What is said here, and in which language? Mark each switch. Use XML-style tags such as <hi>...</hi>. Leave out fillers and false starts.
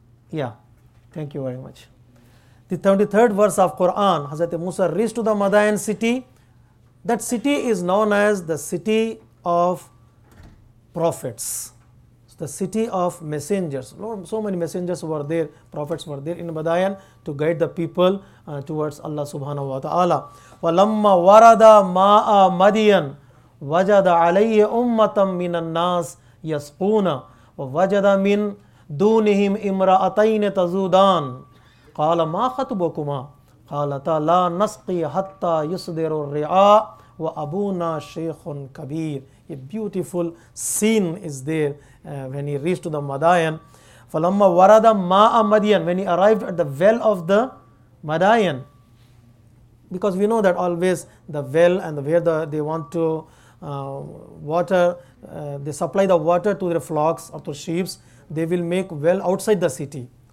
<en>Yeah, thank you very much. The 23rd verse of Quran, Hazrat Musa reached to the Madian city. That city is known as the city of prophets. It's the city of messengers. Lord, so many messengers were there, prophets were there in Madian to guide the people towards Allah subhanahu wa ta'ala.</en> <ar>وَلَمَّا وَرَدَ مَاءَ مَدِيًا وَجَدَ عَلَيْهِ أُمَّةً مِنَ النَّاسِ يَسْقُونَ وَوَجَدَ مِنْ دُونِهِمْ إِمْرَأَتَيْنِ تَزُودَانِ قَالَ مَا خَطْبُكُمَا قَالَتَا لَا نَسْقِي حَتَّى يُصْدِرُ الرِّعَاءُ وَأَبُونَا شَيْخٌ كَبِيرٌ.</ar> <en>A beautiful scene is there when he reached to the Madian.</en> <ar>فَلَمَّا وَرَدَ مَاءَ مَدِيًا,</ar> <en>when he arrived at the well of the Madian. Because we know that always the well and where they want to water, they supply the water to their flocks or to sheep, they will make well outside the city.</en>